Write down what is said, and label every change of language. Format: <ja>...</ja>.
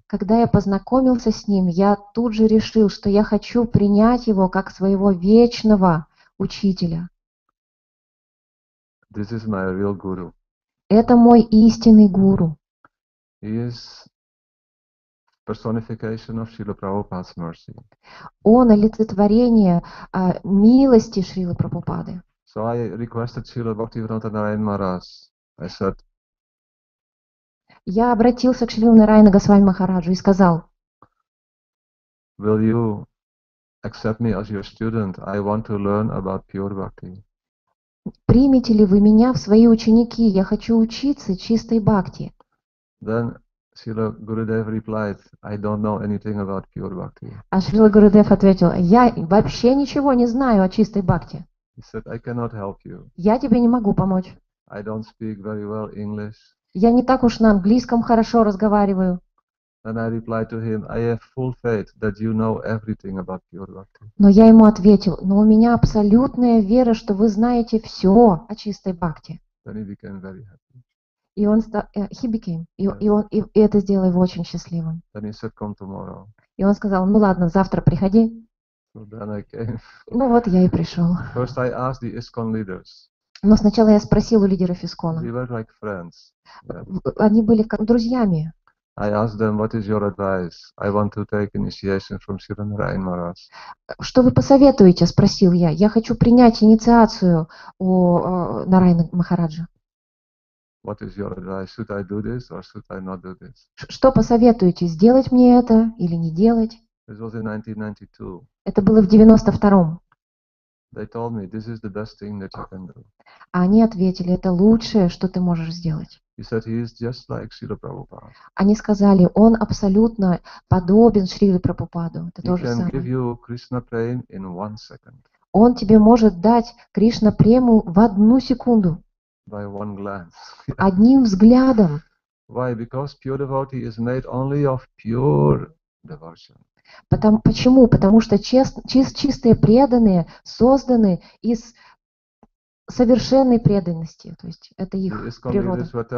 <ru>Когда я познакомился с ним, я тут же решил, что я хочу принять его как своего вечного учителя.</ru> <en>This is my real guru.</en> <ru>Это мой истинный гуру.</ru> <en>He is personification of Srila Prabhupada's mercy.</en> <ru>Он олицетворение милости Шрилы Прабхупады.</ru> <en>So I requested Srila Bhaktivinoda Narayana Maharaj. I said,</en> <ru>я обратился к Шриле Нараяна Госвами Махараджу и сказал,</ru> <en>will you accept me as your student? I want to learn about pure bhakti.</en> <ru>Примите ли вы меня в свои ученики? Я хочу учиться чистой бхакти.</ru> <en>Then Srila Gurudev replied, I don't know anything about pure bhakti.</en> <ru>А Шрила Гурудев ответил, я вообще ничего не знаю о чистой бхакти.</ru> <en>He said, I cannot help you.</en> <ru>Я тебе не могу помочь.</ru> <en>I don't speak very well English.</en> <ru>Я не так уж на английском хорошо разговариваю.</ru> <en>And I replied to him, I have full faith that you know everything about pure bhakti.</en> <ru>Но я ему ответил, но у меня абсолютная вера, что вы знаете все о чистой бхакти.</ru> <en>Then he became very happy.</en> <ru>И он стал,</ru> <en>he became, yes.</en> <ru>И это сделало его очень счастливым.</ru> <en>Then he said, come tomorrow.</en> <ru>И он сказал, ну ладно, завтра приходи.</ru> <en>So then I came.</en> <ru>Ну вот я и пришел.</ru> <en>First I asked the ISKCON leaders.</en> <ru>Но сначала я спросил у лидеров ИСККОНа.</ru> <en>They were like friends.</en> <ru>Yeah. Они были как друзьями.</ru> <en>I asked them, what is your advice? I want to take initiation from Srila Narayana Maharaj.</en> <ru>Что вы посоветуете? Спросил я. Я хочу принять инициацию у Нараяны Махараджа.</ru> <en>What is your advice? Should I do this or should I not do this?</en> <ru>Что посоветуете? Сделать мне это или не делать?</ru> <en>This was in 1992.</en> <ru>Это было в 92-м.</ru> <en>They told me, this is the best thing that you can do.</en> <ru>Они ответили, это лучшее, что ты можешь сделать.</ru> <en>He said, he is just like Srila Prabhupada.</en> <ru>Они сказали, он абсолютно подобен Шриле Прабхупаду. Это то же самое.</ru> <en>He can give you Krishna prema in one second.</en> <ru>Он тебе может дать Кришна прему в одну секунду.</ru> <en>By one glance.</en> <ru>Одним взглядом.</ru> <en>Why? Because pure devotee is made only of pure devotion.</en> <ru>Почему? Потому что чистые преданные созданы из совершенной преданности, то есть это их природа.</ru>